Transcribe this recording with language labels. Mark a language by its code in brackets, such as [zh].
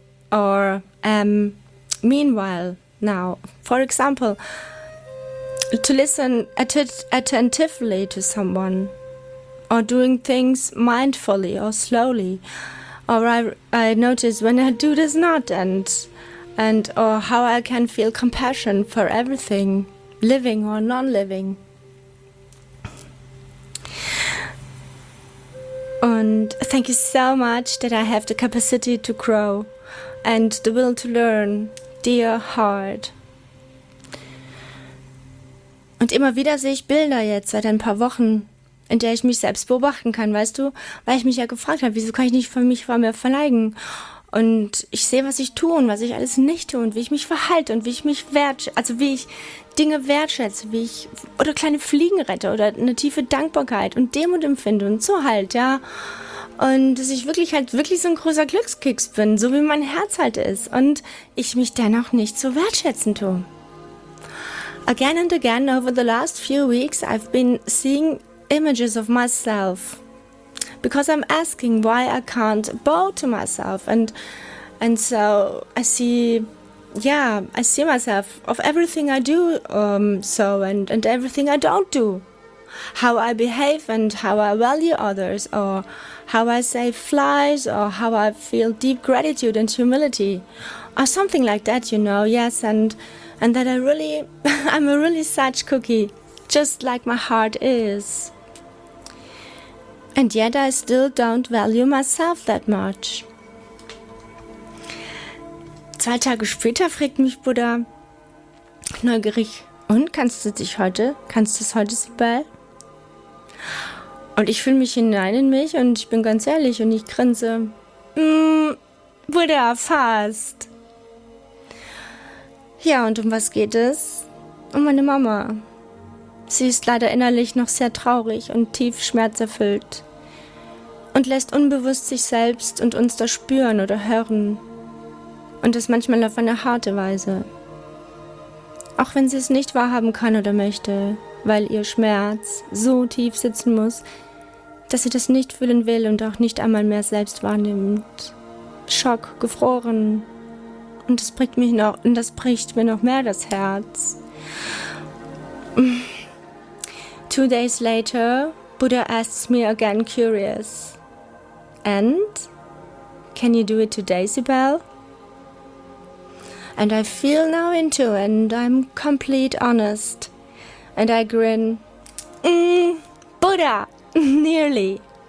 [en] Or meanwhile. Now, for example, to listen attentively to someone, or doing things mindfully or slowly, or I notice when I do this not, and or how I can feel compassion for everything, living or non-living. And thank you so much that I have the capacity to grow and the will to learn. Dear heart. [de] Und immer wieder sehe ich Bilder jetzt seit ein paar Wochen, in der ich mich selbst beobachten kann, weißt du? Weil ich mich ja gefragt habe, wieso kann ich nicht von mich vor mir verneigen? Und ich sehe, was ich tue und was ich alles nicht tue und wie ich mich verhalte und wie ich mich wertschätze, also wie ich Dinge wertschätze, wie ich, oder kleine Fliegen rette oder eine tiefe Dankbarkeit und Demut empfinde und so halt, ja. Und dass ich wirklich halt wirklich so ein großer Glückskeks bin, so wie mein Herz halt ist. Und ich mich dennoch nicht so wertschätzen tue. [en] Again and again over the last few weeks I've been seeing images of myself. Because I'm asking why I can't bow to myself. And so I see, yeah, I see myself of everything I do and everything I don't do. How I behave and how I value others, or how I save flies, or how I feel deep gratitude and humility, or something like that, you know, yes, and that I really, I'm a really such cookie, just like my heart is. And yet I still don't value myself that much. [de] Zwei Tage später fragt mich Buddha, neugierig, und kannst du es heute so bald? Und ich fühle mich hinein in mich und ich bin ganz ehrlich und ich grinse. Buddha, fast. Ja, und um was geht es? Um meine Mama. Sie ist leider innerlich noch sehr traurig und tief schmerzerfüllt und lässt unbewusst sich selbst und uns das spüren oder hören. Und das manchmal auf eine harte Weise. Auch wenn sie es nicht wahrhaben kann oder möchte, weil ihr Schmerz so tief sitzen muss, dass sie das nicht fühlen will und auch nicht einmal mehr selbst wahrnimmt. Schock, gefroren. Und das bricht mir noch mehr das Herz. [en] 2 days later, Buddha asks me again curious. And? Can you do it today, Sibel? And I feel now into and I'm complete honest. And I grin. Buddha! Nearly.